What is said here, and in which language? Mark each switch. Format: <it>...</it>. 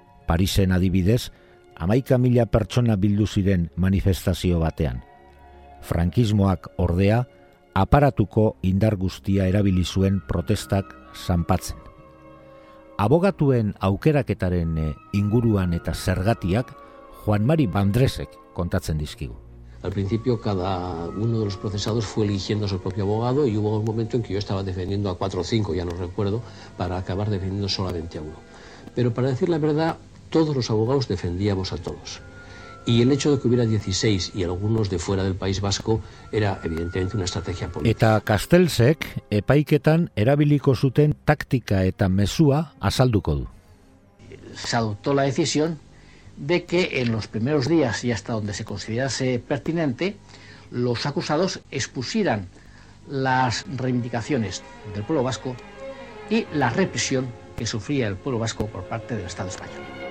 <eu>Parisen adibidez, 11.000 pertsona bildu ziren manifestazio batean. Frankismoak ordea, aparatuko indar guztia erabili zuen protestak zanpatzen. Abogatuen aukeraketaren inguruan eta zergatiak Juan Mari Bandresek kontatzen dizkigu.</eu> <es>Al principio cada uno de los procesados fue eligiendo a su propio abogado y hubo un momento en que yo estaba defendiendo a 4 o 5, ya no recuerdo, para acabar defendiendo solamente a uno. Pero para decir la verdad, todos los abogados defendíamos a todos. Y el hecho de que hubiera 16 y algunos de fuera del País Vasco era evidentemente una estrategia política.</es> <eu>Eta Castelsek epaiketan erabiliko zuten taktika eta mezua azalduko du.</eu> <es>Se adoptó la decisión de que en los primeros días y hasta donde se considerase pertinente los acusados expusieran las reivindicaciones del pueblo vasco y la represión que sufría el pueblo vasco por parte del Estado español.</es>